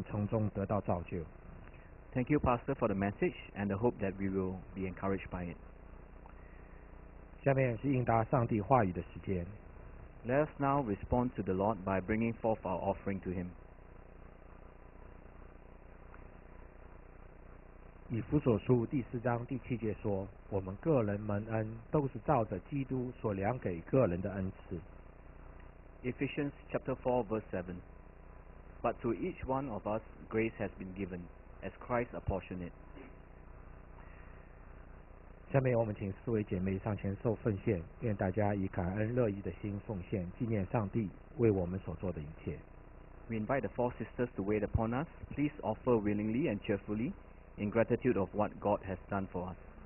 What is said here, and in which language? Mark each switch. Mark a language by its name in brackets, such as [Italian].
[English] Thank you, Pastor, for the message and the hope that we will be encouraged by it. [Chinese] 下面是应答上帝话语的时间。 [English] Let us now respond to the Lord by bringing forth our offering to Him. [Chinese] 以弗所书第四章第七节说，我们个人蒙恩，都是照着基督所量给个人的恩赐。 [English] Ephesians chapter 4 verse 7. But to each one of us, grace has been given, as Christ apportioned it. [Chinese] 下面我们请四位姐妹上前受奉献，愿大家以感恩乐意的心奉献，纪念上帝为我们所做的一切。 [English] We invite the four sisters to wait upon us. Please offer willingly and cheerfully, in gratitude of what God has done for us.